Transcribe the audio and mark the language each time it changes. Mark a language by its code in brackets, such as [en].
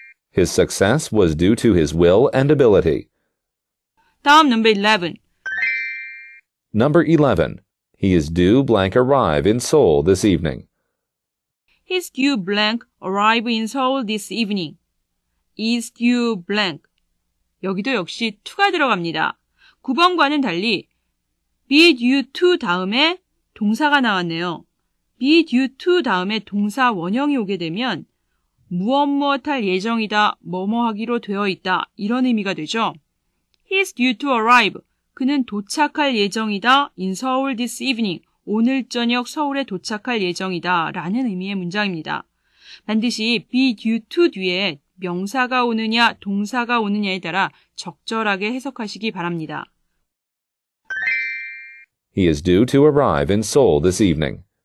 [en] His success was due to his will and ability. 다음 number 11. Number 11. He is due blank arrive in Seoul this evening. He's due blank arrive in Seoul this evening. Is due blank. [ko] 여기도 역시 to가 들어갑니다. 9번과는 달리 be due to 다음에 동사가 나왔네요. be due to 다음에 동사 원형이 오게 되면 무엇무엇할 예정이다, 뭐뭐하기로 되어 있다 이런 의미가 되죠. [en] He's due to arrive. [ko] 그는 도착할 예정이다. [en] In Seoul this evening. [ko] 오늘 저녁 서울에 도착할 예정이다 라는 의미의 문장입니다. 반드시 be due to 뒤에 명사가 오느냐, 동사가 오느냐에 따라 적절하게 해석하시기 바랍니다. [en] He is due to arrive in Seoul this evening.